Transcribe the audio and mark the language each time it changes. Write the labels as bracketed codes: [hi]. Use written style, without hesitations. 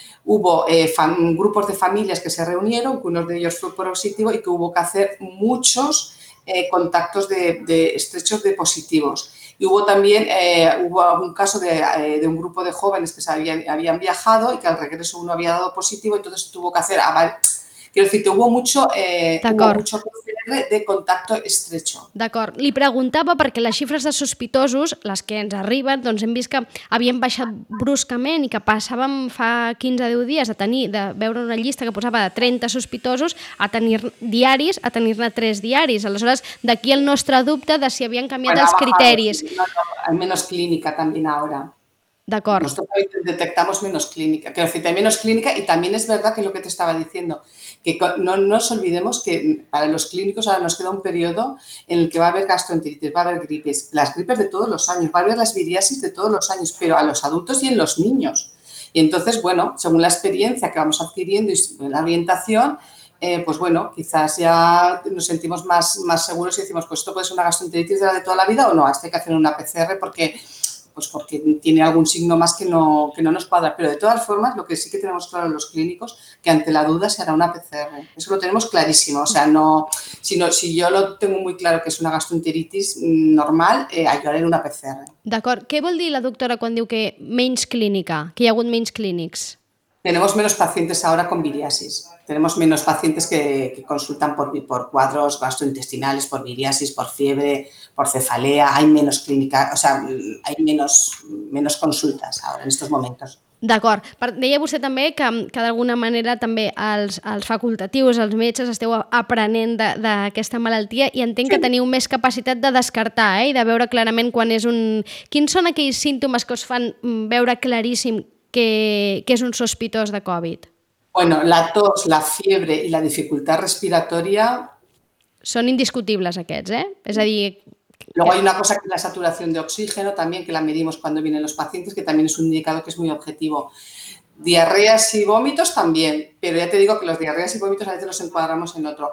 [es] Hubo grupos de familias que se reunieron, que uno de ellos fue positivo y que hubo que hacer muchos contactos de estrechos de positivos. Y hubo también un caso de un grupo de jóvenes que habían viajado y que al regreso uno había dado positivo, entonces tuvo que hacer... Quiero decir, que hubo mucho PCR de contacto estrecho. [ca] D'acord. Li preguntava perquè les xifres de sospitosos, les que ens arriben, doncs hem vist que havien baixat bruscament i que passàvem fa 15-10 dies de veure una llista que posava de 30 sospitosos a tenir diaris, a tenir-ne 3 diaris. Aleshores, d'aquí el nostre dubte de si havien canviat els criteris. Almenys clínica també ara. D'acord. [es] Nosotros detectamos menos clínica. Quiero decir, también es clínica y también es verdad que es lo que te estaba diciendo, que no nos olvidemos que para los clínicos ahora nos queda un periodo en el que va a haber gastroenteritis, va a haber gripes, las gripes de todos los años, va a haber las viriasis de todos los años, pero a los adultos y en los niños. Y entonces, bueno, según la experiencia que vamos adquiriendo y la orientación, pues bueno, quizás ya nos sentimos más seguros y decimos, pues esto puede ser una gastroenteritis de la de toda la vida o no, este hay que hacer una PCR porque tiene algún signo más que no nos cuadra. Pero de todas formas, lo que sí que tenemos claro en los clínicos, que ante la duda se hará una PCR. Eso lo tenemos clarísimo. O sea, si yo lo tengo muy claro que es una gastroenteritis normal, hay que haré una PCR. [ca] D'acord. Què vol dir la doctora quan diu que menys clínica, que hi ha hagut menys clínics? [es] Tenemos menos pacientes ahora con viriasis. Tenemos menos pacientes que consultan por cuadros gastrointestinales, por viriasis, por fiebre, por cefalea. Hay menos clínica, o sea, hay menos consultas ahora en estos momentos. [ca] D'acord. Deia vostè també que d'alguna manera també els facultatius, els metges, esteu aprenent d'aquesta malaltia i entenc sí. Que teniu més capacitat de descartar i de veure clarament quan és un... Quins són aquells símptomes que us fan veure claríssim que és un sospitós de Covid? [es] Bueno, la tos, la fiebre y la dificultad respiratoria... Son indiscutibles [ca] aquests, ¿eh? Es a dir... [es] Luego hay una cosa que es la saturación de oxígeno también, que la medimos cuando vienen los pacientes, que también es un indicador que es muy objetivo. Diarreas y vómitos también, pero ya te digo que los diarreas y vómitos a veces los encuadramos en otro.